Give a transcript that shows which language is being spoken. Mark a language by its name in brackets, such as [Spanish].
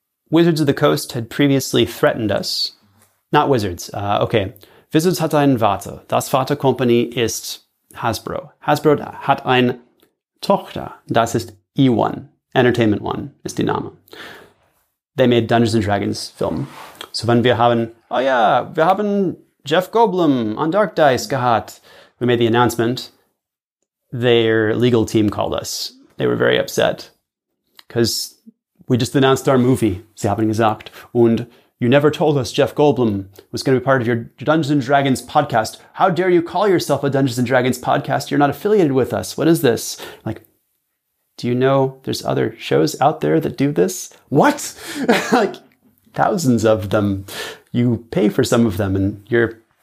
[English] Wizards of the Coast had previously threatened us. Not Wizards. Okay. [German] Wizards hat ein Vater. Das Vater Company ist Hasbro. Hasbro hat ein Tochter. Das ist E1. Entertainment One ist die Name. [English] They made Dungeons and Dragons film. So when [German] wir haben, [English] oh yeah, [German] wir haben Jeff Goldblum on Dark Dice gehabt. [English] We made the announcement. Their legal team called us. They were very upset. Because we just announced our movie, [German] sie haben gesagt. [English] Und you never told us Jeff Goldblum was going to be part of your Dungeons and Dragons podcast. How dare you call yourself a Dungeons and Dragons podcast? You're not affiliated with us. What is this? Like, do you know there's other shows out there that do this? What? Like, thousands of them. You pay for some of them, and you're